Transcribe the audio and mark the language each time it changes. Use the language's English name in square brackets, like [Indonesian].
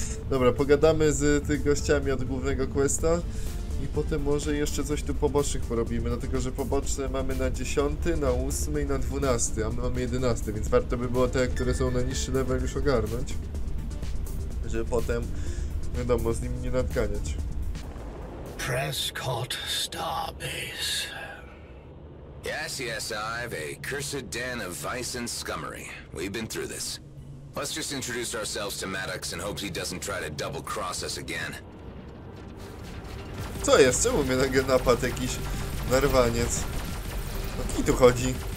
[Polish] Dobra, pogadamy z tych gościami od głównego questa. I potem może jeszcze coś tu pobocznych porobimy, dlatego że poboczne mamy na 10, na 8 i na 12, a my mamy 11, więc warto by było te, które są na niższy level, już ogarnąć. Żeby potem, wiadomo, z nimi nie nadganiać. [English] Prescott Starbase. Yes, yes, I've a cursed den of vice and scummery. We've been through this. Let's just introduce ourselves to Maddox and hope he doesn't try to double cross us again. [Polish] Co jest? Czemu mnie nagle napadł jakiś narwaniec? O kim tu chodzi?